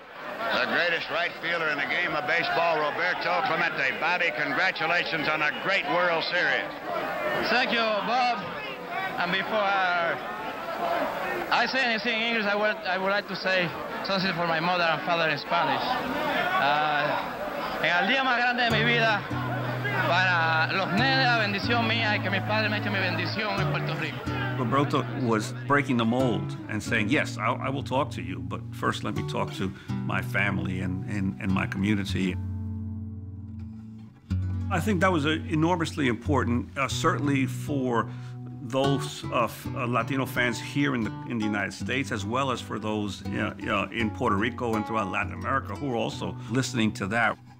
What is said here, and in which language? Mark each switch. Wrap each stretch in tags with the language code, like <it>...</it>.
<en>The greatest right fielder in the game of baseball, Roberto Clemente. Bobby, congratulations on a great World Series. Thank you, Bob. And before I say anything in English, I would like to say something for my mother and father in Spanish.</en> <es>En el día más grande de mi vida, para los nenes, la bendición mía y que mi padre me eche mi bendición en Puerto Rico.</es> <en>Roberto was breaking the mold and saying, yes, I will talk to you, but first let me talk to my family and my community. I think that was enormously important, certainly for those Latino fans here in the United States, as well as for those in Puerto Rico and throughout Latin America who are also listening to that.</en>